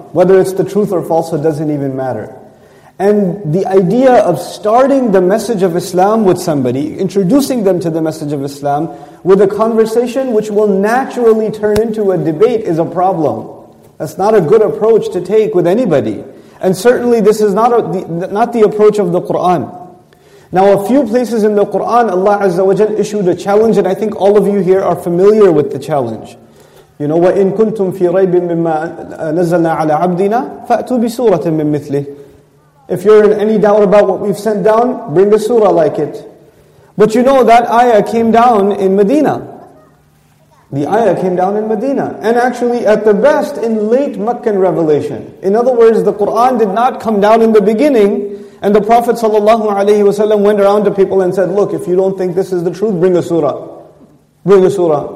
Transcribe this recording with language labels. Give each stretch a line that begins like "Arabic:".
English: Whether it's the truth or falsehood doesn't even matter. And the idea of starting the message of Islam with somebody, introducing them to the message of Islam, with a conversation which will naturally turn into a debate is a problem. That's not a good approach to take with anybody. And certainly this is not the approach of the Qur'an. Now a few places in the Qur'an, Allah Azza wa Jal issued a challenge, and I think all of you here are familiar with the challenge. You know,
Arabic: وَإِن كُنْتُمْ فِي رَيْبٍ مِمَّا نَزَّلْنَا عَلَىٰ عَبْدِنَا فَأْتُوا بِسُورَةٍ مِّن مِثْلِهِ.
English: If you're in any doubt about what we've sent down, bring a surah like it. But you know, that ayah came down in Medina. The ayah came down in Medina. And actually, at the best, in late Meccan revelation. In other words, the Qur'an did not come down in the beginning, and the Prophet ﷺ went around to people and said, look, if you don't think this is the truth, bring a surah. Bring a surah.